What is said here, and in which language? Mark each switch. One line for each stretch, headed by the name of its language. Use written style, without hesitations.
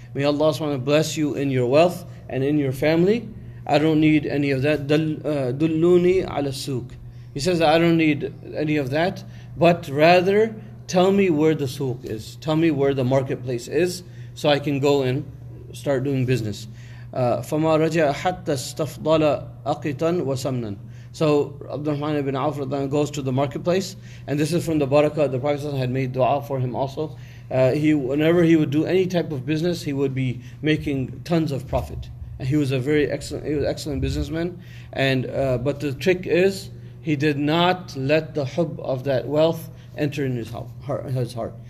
English: May Allah subhanahu wa ta'ala bless you in your wealth and in your family. I don't need any of that.
Arabic: Dulluni ala souk.
English: He says, I don't need any of that, but rather tell me where the souk is. Tell me where the marketplace is, so I can go and start doing business.
Arabic: فَمَا رَجَعَ حَتَّى اسْتَفْضَلَ أَقِطًا وَسَمْنًا.
English: So Abdul Rahman ibn Auf goes to the marketplace, and this is from the barakah. The Prophet had made dua for him also. He, whenever he would do any type of business, he would be making tons of profit. And he was a very excellent, he was an excellent businessman. And but the trick is, he did not let the hub of that wealth enter in his heart.